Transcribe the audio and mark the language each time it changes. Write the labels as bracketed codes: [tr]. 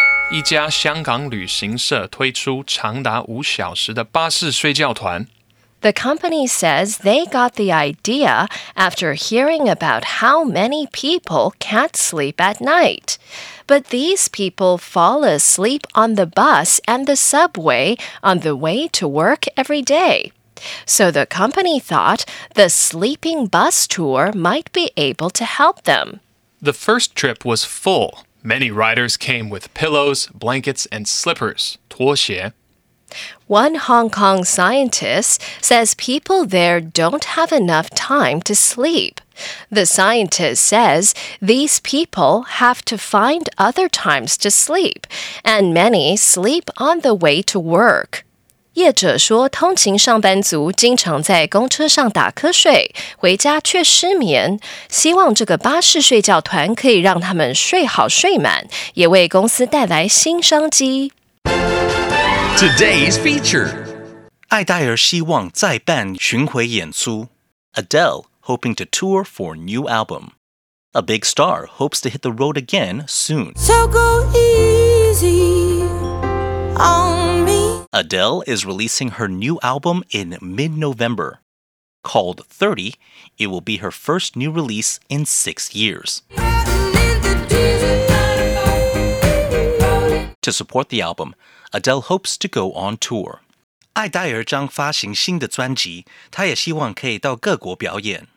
[zh] 一家香港旅行社推出长达五小时的巴士睡觉团。 [en] The company says they got the idea after hearing about how many people can't sleep at night. But these people fall asleep on the bus and the subway on the way to work every day. So the company thought the sleeping bus tour might be able to help them. The first trip was full. Many riders came with pillows, blankets, and slippers, [zh] 拖鞋. [en] One Hong Kong scientist says people there don't have enough time to sleep. The scientist says these people have to find other times to sleep, and many sleep on the way to work. [zh] 业者说通勤上班族经常在公车上打瞌睡，回家却失眠，希望这个巴士睡觉团可以让他们睡好睡满，也为公司带来新商机。 [en] Today's feature. [zh] 艾黛儿希望再办巡回演出。 [en] Adele hoping to tour for new album. A big star hopes to hit the road again soon. So go easy on me. Adele is releasing her new album in mid-November. Called 30, it will be her first new release in 6 years. To support the album, Adele hopes to go on tour. [zh] 艾黛儿将发行新的专辑，她也希望可以到各国表演。